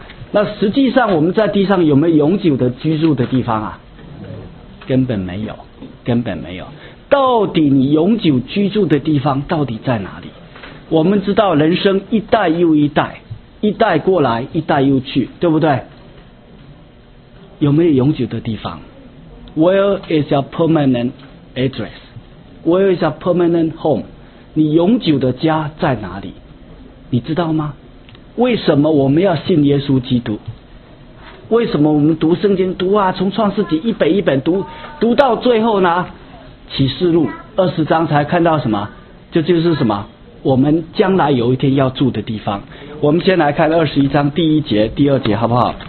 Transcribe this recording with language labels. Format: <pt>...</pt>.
<zh>那实际上我们在地上有没有永久的居住的地方啊？根本没有，根本没有。到底你永久居住的地方到底在哪里？我们知道人生一代又一代，一代过来一代又去，对不对？有没有永久的地方？</zh> <en>Where is your permanent address? Where is your permanent home?</en> <zh>你永久的家在哪里？你知道吗？为什么我们要信耶稣基督？为什么我们读圣经读啊，从创世纪一本一本读，读到最后呢，启示录二十章才看到什么？就是什么？我们将来有一天要住的地方。我们先来看二十一章第一节、第二节，好不好？</zh>